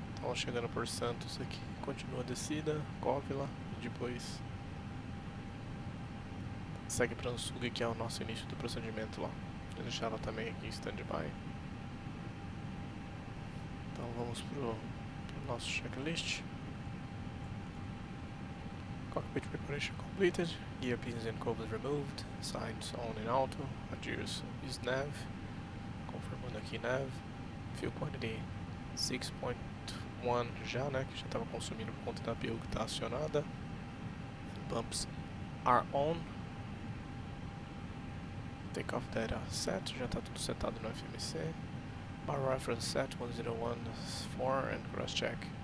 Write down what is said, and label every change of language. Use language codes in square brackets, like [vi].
[pt] Então chegando por Santos aqui, continua a descida, Covila, e depois segue para Ansug, que é o nosso início do procedimento lá. Vou deixar ela também aqui em stand-by. Então vamos pro nosso checklist. [en] Cockpit preparation completed, gear pins and cobbles removed, signs on and auto, adjust is nav, [pt] confirmando aqui [en] nav, fuel quantity 6.2. [pt] One já, né, que já estava consumindo por conta da PU que está acionada. [en] Pumps are on. Take off data set, [pt] já está tudo setado no FMC. [en] Bar reference set 1014 and cross check.